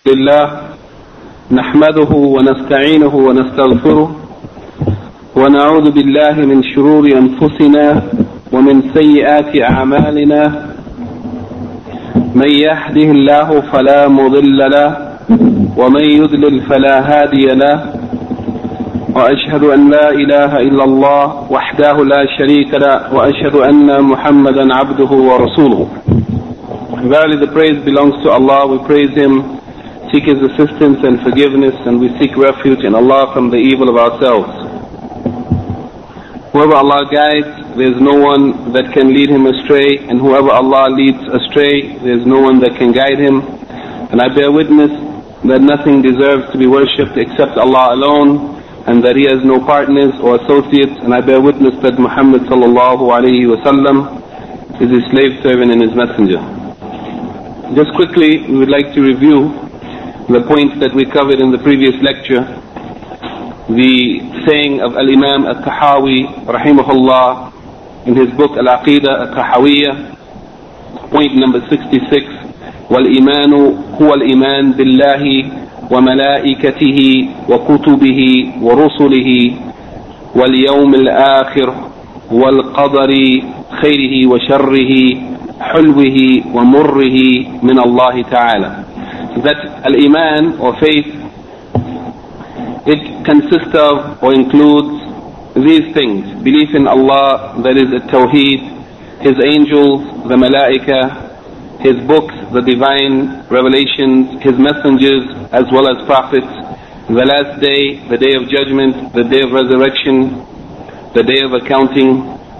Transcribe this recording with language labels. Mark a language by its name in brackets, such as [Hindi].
[Arabic] لله نحمده ونستعينه ونستغفره ونعوذ بالله من شرور أنفسنا ومن سيئات أعمالنا، من يهده الله فلا مضل له ومن يضلل فلا هادي له، وأشهد أن لا إله إلا الله وحده لا شريك له وأشهد أن محمدا عبده ورسوله. [English] Verily the praise belongs to Allah, we praise Him, seek His assistance and forgiveness, and we seek refuge in Allah from the evil of ourselves. Whoever Allah guides, there is no one that can lead him astray, and whoever Allah leads astray, there is no one that can guide him. And I bear witness that nothing deserves to be worshipped except Allah alone, and that He has no partners or associates, and I bear witness that Muhammad sallallahu alayhi wa sallam is His slave servant and His messenger. Just quickly, we would like to review the points that we covered in the previous lecture. The saying of Al-Imam Al-Tahawi rahimahullah in his book Al-Aqidah Al-Tahawiyyah, point number 66, [Arabic] وَالْإِمَانُ هُوَ الْإِمَانُ بِاللَّهِ وَمَلَائِكَتِهِ وَكُتُبِهِ وَرُسُلِهِ وَالْيَوْمِ الْآخِرِ وَالْقَدَرِ خَيْرِهِ وَشَرِّهِ حُلْوِهِ وَمُرِّهِ مِنَ اللَّهِ تَعَالَى. [English] That al-iman or faith, it consists of or includes these things: belief in Allah, that is at tawheed, His angels, the malaika, His books, the divine revelations, His messengers as well as prophets, the last day, the day of judgment, the day of resurrection, the day of accounting,